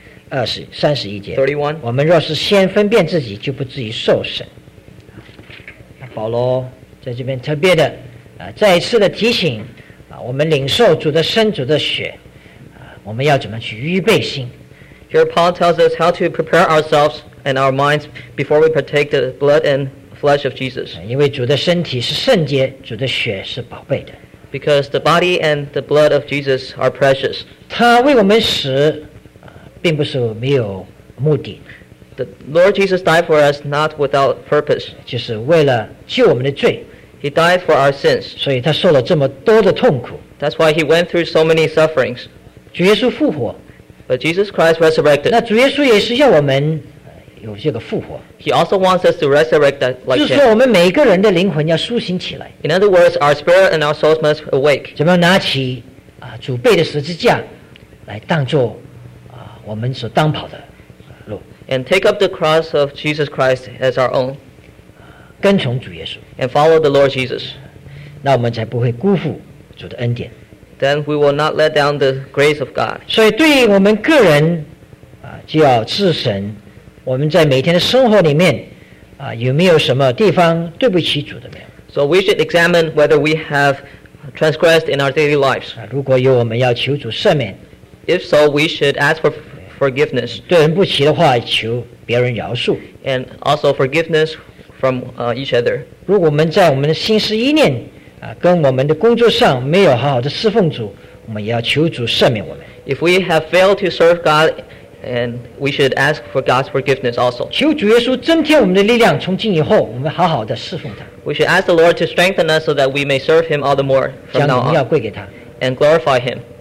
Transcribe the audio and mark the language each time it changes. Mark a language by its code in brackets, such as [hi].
[zh] 31节。 31。我们若是先分辨自己，就不至于受审。保罗在这边特别的再一次的提醒我们领受主的身、主的血，我们要怎么去预备心。 [en] Here Paul tells us how to prepare ourselves and our minds before we partake the blood and flesh of Jesus. [zh] 因为主的身体是圣洁，主的血是宝贝的。 [en] Because the body and the blood of Jesus are precious. [zh] 他为我们死，并不是没有目的。 [en] The Lord Jesus died for us not without purpose. [zh] 就是为了救我们的罪。 [en] He died for our sins. [zh] 所以他受了这么多的痛苦。 [en] That's why he went through so many sufferings. [zh] 主耶稣复活。 [en] But Jesus Christ resurrected. [zh] 那主耶稣也是要我们有这个复活。 [en] He also wants us to resurrect that like him. [zh] 就是说我们每个人的灵魂要苏醒起来。 [en] In other words, our spirit and our souls must awake. [zh] 怎么拿起主备的十字架来当作我们所当跑的路。 [en] And take up the cross of Jesus Christ as our own. [zh] 跟从主耶稣。 [en] And follow the Lord Jesus. [zh] 那我们才不会辜负主的恩典。 [en] Then we will not let down the grace of God. [zh] 所以对于我们个人就要自省，我们在每天的生活里面有没有什么地方对不起主的没有。 [en] So we should examine whether we have transgressed in our daily lives. [zh] 如果有，我们要求主赦免。 [en] If so, we should ask for forgiveness. [zh] 对人不齐的话, [en] and also forgiveness from each other. [zh] 如果我们在我们的心思意念, 跟我们的工作上没有好好的侍奉主, [en] if we have failed to serve God, and we should ask for God's forgiveness also. [zh] 求主耶稣增添我们的力量, 从今以后, [en] we should ask the Lord to strengthen us so that we may serve Him all the more from now on and glorify Him.